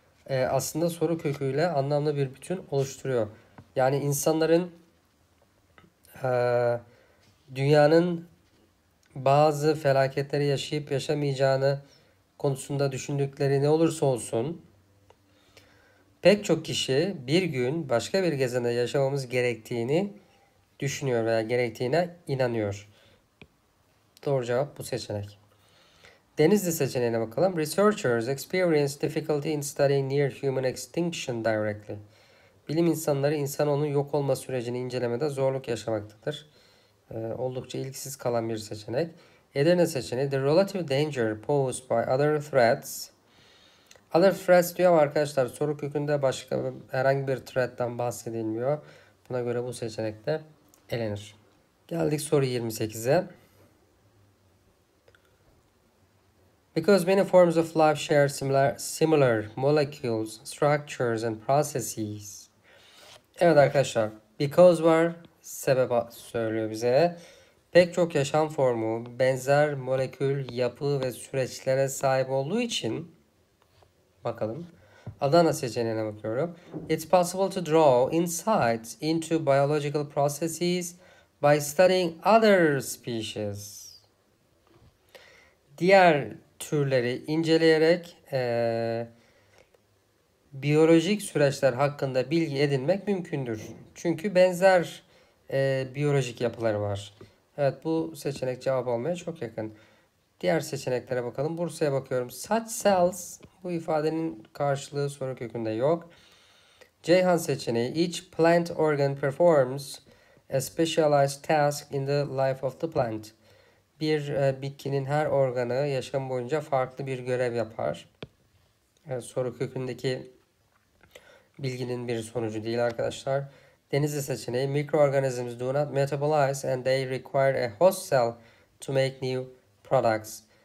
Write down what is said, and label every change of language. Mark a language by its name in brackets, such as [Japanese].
[Turkish] Aslında soru köküyle anlamlı bir bütün oluşturuyor. Yani insanların dünyanın bazı felaketleri yaşayıp yaşamayacağını konusunda düşündükleri ne olursa olsun, pek çok kişi bir gün başka bir gezegende yaşamamız gerektiğini düşünüyor veya gerektiğine inanıyor. Doğru cevap bu seçenek. Denizli seçeneğine bakalım. [English] Researchers experience difficulty in studying near human extinction directly. [Turkish] Bilim insanları insanoğlunun yok olma sürecini incelemede zorluk yaşamaktadır. Oldukça ilgisiz kalan bir seçenek. Edirne seçeneği. [English] The relative danger posed by other threats. Other threats [Turkish] diyor arkadaşlar. Soru kökünde başka herhangi bir threat'ten bahsedilmiyor. Buna göre bu seçenek de elenir. Geldik soru 28'e. [English] Because many forms of life share similar molecules, structures and processes. [Turkish] Evet arkadaşlar. Because var. Sebep söylüyor bize. Pek çok yaşam formu benzer molekül, yapı ve süreçlere sahip olduğu için bakalım. Adana seçeneğine bakıyorum. [English] It's possible to draw insights into biological processes by studying other species. [Turkish] Diğer türleri inceleyerek biyolojik süreçler hakkında bilgi edinmek mümkündür. Çünkü benzer biyolojik yapıları var. Evet, bu seçenek cevap almaya çok yakın. Diğer seçeneklere bakalım. Bursa'ya bakıyorum. [English] Such cells, [Turkish] bu ifadenin karşılığı soru kökünde yok. Ceyhan seçeneği. [English] Each plant organ performs a specialized task in the life of the plant. [Turkish] Bir bitkinin her organı yaşam boyunca farklı bir görev yapar. Evet, soru kökündeki bilginin bir sonucu değil arkadaşlar. Denizli seçeneği. [English] Microorganisms do not metabolize and they require a host cell to make new products.